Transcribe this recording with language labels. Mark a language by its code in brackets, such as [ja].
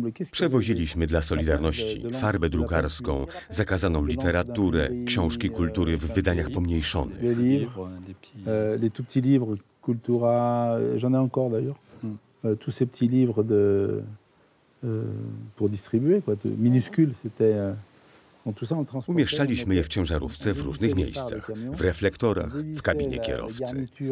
[pl] Przewoziliśmy dla Solidarności farbę drukarską, zakazaną literaturę, książki kultury w wydaniach pomniejszonych. [fr] Les tout petits livres cultura, j'en ai encore d'ailleurs. Tous ces petits livres de pour distribuer quoi, minuscules, c'était. [pl] Umieszczaliśmy je w ciężarówce w różnych miejscach, w reflektorach, w kabinie kierowcy.